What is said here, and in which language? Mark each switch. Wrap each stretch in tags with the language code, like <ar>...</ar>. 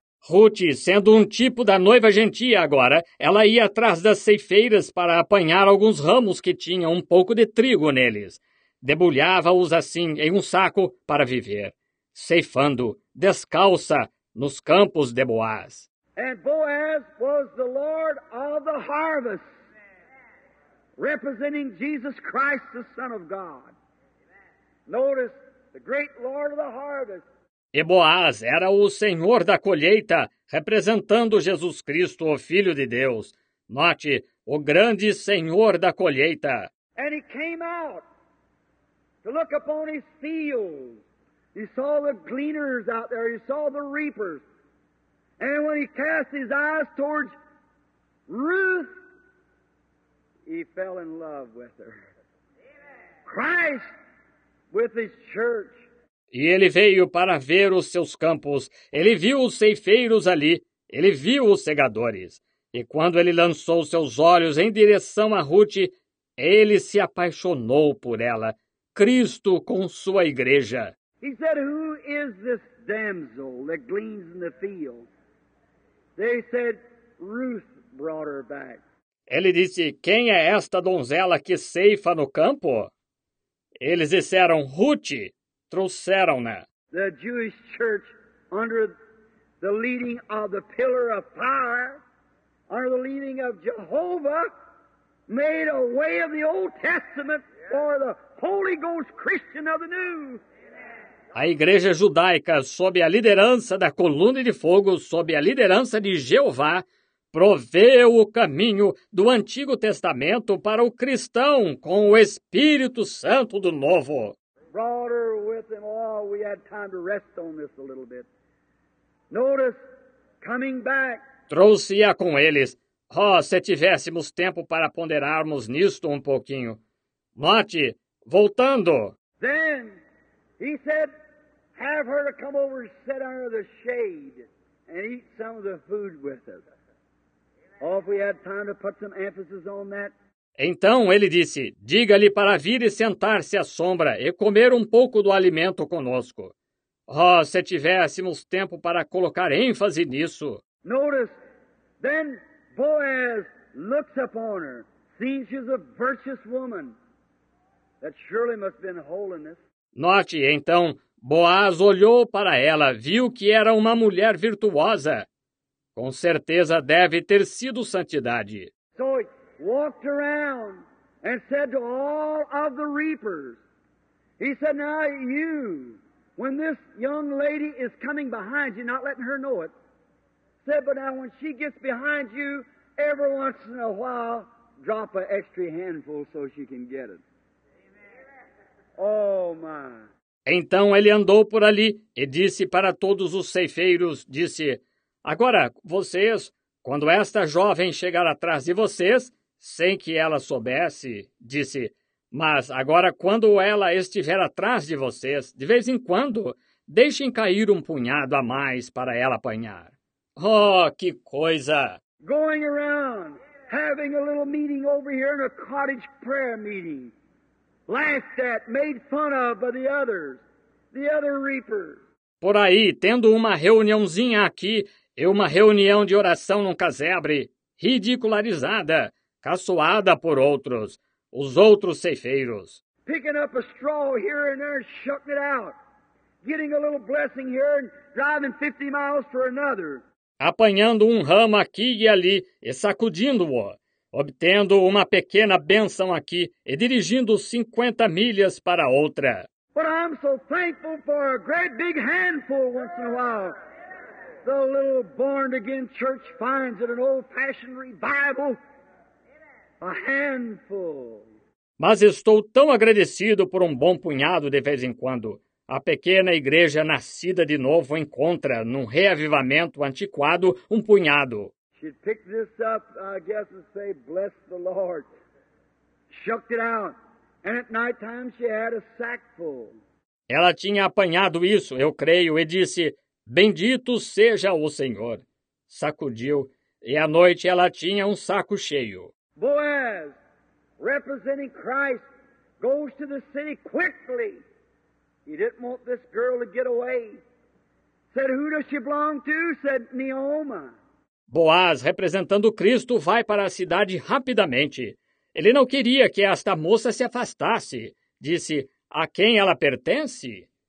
<pt>Ruth, sendo um tipo da noiva gentia agora, ela ia atrás das ceifeiras para apanhar alguns ramos que tinham um pouco de trigo neles. Debulhava-os assim em um saco para viver, ceifando, descalça, nos campos de Boaz.</pt> <en>And Boaz was the Lord of the harvest, representing Jesus Christ, the Son of God. Notice, the great Lord of the harvest.</en> <pt>E Boaz era o Senhor da colheita, representando Jesus Cristo, o Filho de Deus. Note, o grande Senhor da colheita.</pt> <en>And he came out to look upon his fields. He saw the gleaners out there, he saw the reapers. And when he cast his eyes towards Ruth, he fell in love with her. Christ with his church.</en> <pt>E ele veio para ver os seus campos, ele viu os ceifeiros ali, ele viu os segadores. E quando ele lançou seus olhos em direção a Ruth, ele se apaixonou por ela, Cristo com sua igreja.</pt> <en>He said, who is this damsel that gleans in the field? They said, Ruth brought her back.</en> <pt>Ele disse, quem é esta donzela que ceifa no campo? Eles disseram, Ruth. Trouxeram-na.</pt> <en>The Jewish church, under the leading of the pillar of fire, under the leading of Jehovah, made a way of the Old Testament for the Holy Ghost Christian of the New.</en> <pt>A igreja judaica, sob a liderança da coluna de fogo, sob a liderança de Jeová, proveu o caminho do Antigo Testamento para o cristão com o Espírito Santo do Novo.</pt> <en>Brought her with him. Oh, we had time to rest on this a little bit. Notice, coming back.</en> <pt>Trouxe-a com eles. Oh, se tivéssemos tempo para ponderarmos nisto um pouquinho. Note, voltando.</pt> <en>Then, he said, have her to come over and sit under the shade and eat some of the food with us. Oh, if we had time to put some emphasis on that.</en> <pt>Então ele disse, diga-lhe para vir e sentar-se à sombra e comer um pouco do alimento conosco. Oh, se tivéssemos tempo para colocar ênfase nisso.</pt> <en>Notice, then Boaz looks upon her, sees she's a virtuous woman. That surely must have been holiness.</en> <pt>Note, então, Boaz olhou para ela, viu que era uma mulher virtuosa. Com certeza deve ter sido santidade.</pt> <en>So, walked around and said to all of the reapers, he said, now you, when this young lady is coming behind you, not letting her know it, said, but now when she gets behind you, every once in a while, drop an extra handful so she can get it. Amen. Oh, my.</en> <pt>Então ele andou por ali e disse para todos os ceifeiros, disse, agora vocês, quando esta jovem chegar atrás de vocês, sem que ela soubesse, disse, mas agora quando ela estiver atrás de vocês, de vez em quando, deixem cair um punhado a mais para ela apanhar. Oh, que coisa!</pt> <en>Going around, having a little meeting over here in a cottage prayer meeting. Laughed at, made fun of by the other reapers.</en> <pt>Por aí, tendo uma reuniãozinha aqui, e uma reunião de oração num casebre, ridicularizada, caçoada por outros, os outros ceifeiros.</pt> <en>Picking up a straw here and there and shucking it out. Getting a little blessing here and driving 50 miles for another.</en> <pt>Apanhando um ramo aqui e ali e sacudindo-o, obtendo uma pequena bênção aqui e dirigindo 50 milhas para outra.</pt> <en>But I'm so thankful for a great big handful once in a while. The little born-again church finds it an old-fashioned revival. A handful.</en> <pt>Mas estou tão agradecido por um bom punhado de vez em quando. A pequena igreja nascida de novo encontra, num reavivamento antiquado, um punhado.</pt> <en>She'd pick this up, I guess, and say, bless the Lord. Shucked it out. And at night time she had a sackful.</en> <pt>Ela tinha apanhado isso, eu creio, e disse, bendito seja o Senhor. Sacudiu, e à noite ela tinha um saco cheio.</pt> <en>Boaz, representing Christ, goes to the city quickly. He didn't want this girl to get away. Said, who does she belong to? Said, Naoma.</en> <pt>Boaz, representando Cristo, vai para a cidade rapidamente. Ele não queria que esta moça se afastasse. Disse, a quem ela pertence?</pt>